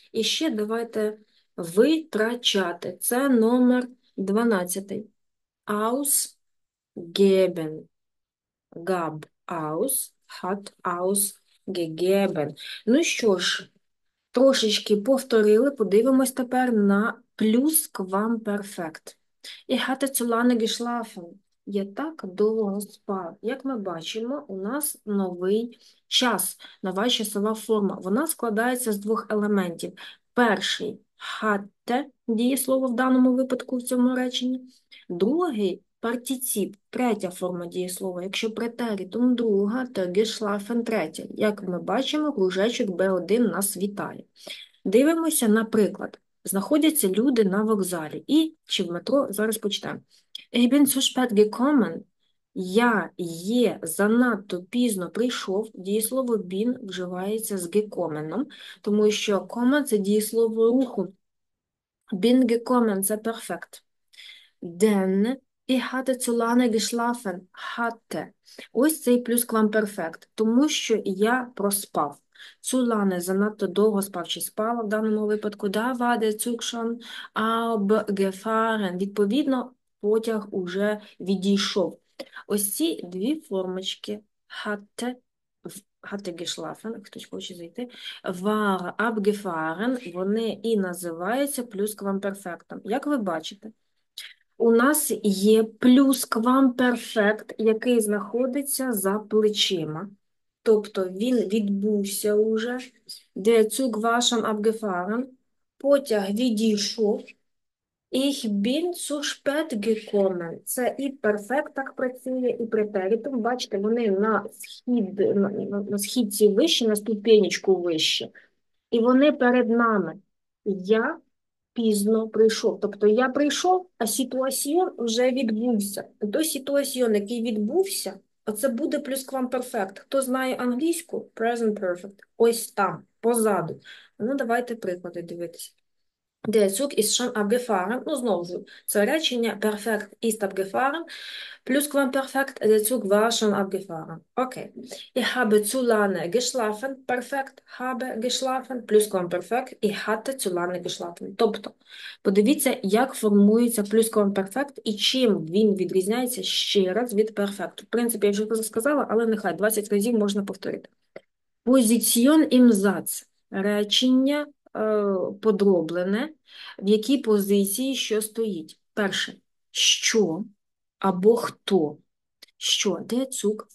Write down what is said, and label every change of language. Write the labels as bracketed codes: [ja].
[uk] І ще давайте витрачати. Це номер 12. [de] Аус, гебен. Габ, аус, хат, аус, гегебен. [uk] Ну що ж, трошечки повторили. Подивимось тепер на плюсквамперфект. [de] Ich hatte zu lange geschlafen. [uk] Я так довго спав. Як ми бачимо, у нас новий час, нова часова форма. Вона складається з двох елементів. Перший hatte дієслово в даному випадку в цьому реченні. Другий партіціп, третя форма дієслова. Якщо претеритум друга, то geschlafen третя. Як ми бачимо, кружечок B1 нас вітає. Дивимося, наприклад, знаходяться люди на вокзалі. І чи в метро зараз почнемо. [de] Ich bin zu spät gekommen. [uk] Я є занадто пізно прийшов. Дієслово bin вживається з gekommen, тому що kommen – це дієслово руху. Bin gekommen – це перфект. [de] Denn ich hatte zu lange geschlafen. Hatte. [uk] Ось цей плюсквамперфект, тому що я проспав. Цулане занадто довго спав чи спала в даному випадку. [de] Da war der Zug schon abgefahren. [uk] Відповідно, потяг уже відійшов. Ось ці дві формочки hatte geschlafen, хтось хоче зайти, war abgefahren, вони і називаються плюсквамперфектом. Як ви бачите, у нас є плюсквамперфект, який знаходиться за плечима. Тобто він відбувся уже. [de] Der Zug war schon abgefahren. [uk] Потяг відійшов. Ich bin zu spät gekommen. Це і перфект так працює, і претеритум. Бачите, вони на східці вище, на ступенечку вище. І вони перед нами. Я пізно прийшов. Тобто я прийшов, а ситуаціон вже відбувся. До ситуаціон, який відбувся, оце буде плюсквамперфект. Хто знає англійську? Present perfect. Ось там, позаду. Ну, давайте приклади дивитися. [de] Der Zug ist schon abgefahren. [uk] Ну, знову ж, це речення perfekt ist abgefahren. Плюсквамперфект. [de] Der Zug war schon abgefahren. Окей. Okay. Ich habe zu lange geschlafen. Perfekt. Habe geschlafen. Плюсквамперфект. Ich hatte zu lange geschlafen. [uk] Тобто, подивіться, як формується плюсквамперфект і чим він відрізняється ще раз від перфекту. В принципі, я вже це сказала, але нехай 20 разів можна повторити. [de] Position im Satz. [uk] Речення подроблене, в якій позиції що стоїть. Перше, що або хто. Що? Де цук?